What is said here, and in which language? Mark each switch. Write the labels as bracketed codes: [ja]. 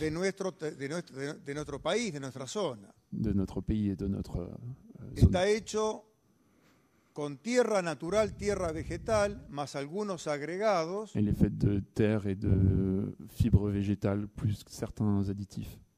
[es] de notre país, de nuestra zona. [fr] De notre pays et de notre zone. [es] Está hecho con tierra natural, tierra vegetal, más algunos agregados. [fr] Elle est faite de terre et de fibres végétales plus certains additifs.